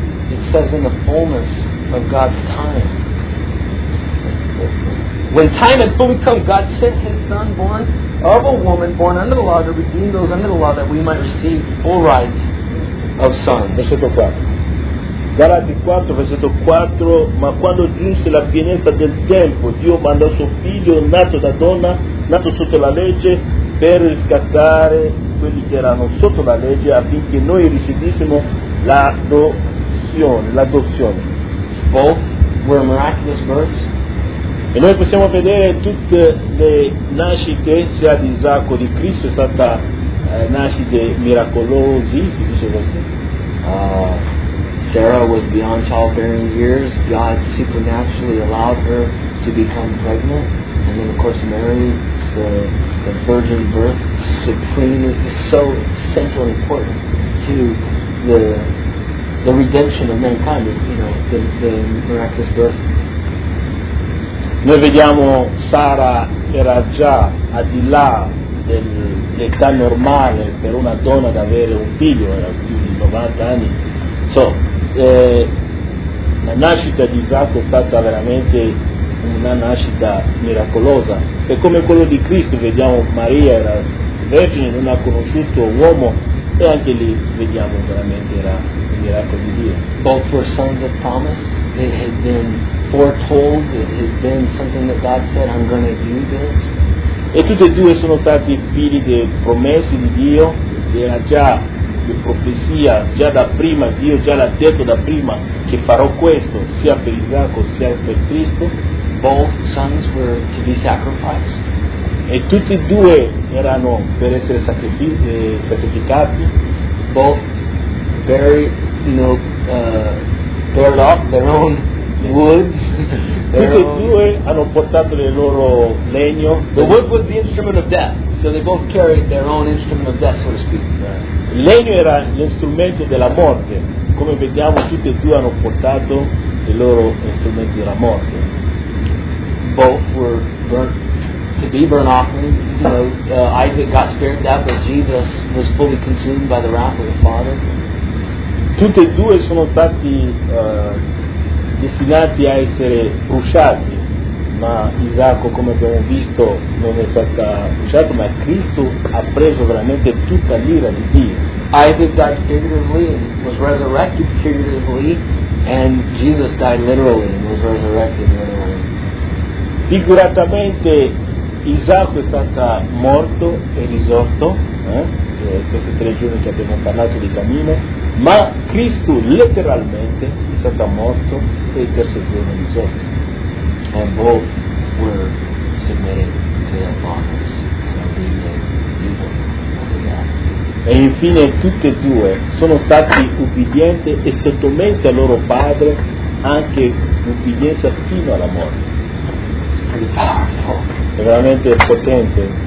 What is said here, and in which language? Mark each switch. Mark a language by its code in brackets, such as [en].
[en] It says in the fullness of God's time. When time had fully come, God sent his son born of a woman born under the law to redeem those under the law that we might receive full rights of son. [it] Versetto 4. Galati 4, versetto 4, ma quando giunse la pienezza del tempo, Dio mandò suo figlio nato da donna, nato sotto la legge, per riscattare quelli che erano sotto la legge, affinché noi ricevissimo l'adozione. [en] Both were miraculous births. [it] E noi possiamo vedere tutte le nascite, sia di Isacco, di Cristo, è stata nascite miracolose, si dice così. [en] Sarah was beyond childbearing years. God supernaturally allowed her to become pregnant, and then of course Mary, the virgin birth, supremely so central and important to the redemption of mankind. You know, the miraculous birth. [it] Noi vediamo Sara era già al di là dell'età normale per una donna ad avere un figlio, era più di 90 anni. So. La nascita di Isacco è stata veramente una nascita miracolosa, e come quello di Cristo vediamo Maria era vergine, non ha conosciuto uomo, e anche lì vediamo veramente era un miracolo di Dio. [en] Both were sons of promise. It had been foretold, it had been something that God said, I'm going to do this. [it] E tutti e due sono stati figli di promesse di Dio, era già di profezia, già da prima Dio già l'ha detto da prima che farò questo, sia per Isacco sia per Cristo. [en] Both sons were to be sacrificed. [it] E tutti e due erano per essere sacrificati. [en] Both buried, you know, buried off their own woods. [it] Tutti e due hanno portato le loro legno. [en] The wood was the instrument of death, so they both carried their own instrument of death, so to speak. [it] Il legno era l'strumento della morte. Come vediamo, tutti e due hanno portato i loro strumenti della morte. [en] Both were burnt to be burnt offerings. You know, Isaac got spared that, but Jesus was fully consumed by the wrath of the Father. [it] Tutti e due sono stati destinati a essere bruciati, ma Isacco, come abbiamo visto, non è stato bruciato, ma Cristo ha preso veramente tutta l'ira di Dio. [en] Isaac died figuratively and was resurrected figuratively, and Jesus died literally and was resurrected literally. [it] Figuratamente Isacco è stato morto e risorto, questi tre giorni che abbiamo parlato di cammino, ma Cristo letteralmente è stato morto e il terzo giorno è risorto. [en] And both were submitted to their fathers and [it] E infine tutte e due sono stati ubbidienti e sottomessi al loro padre, anche ubbidienza fino alla morte. È veramente potente.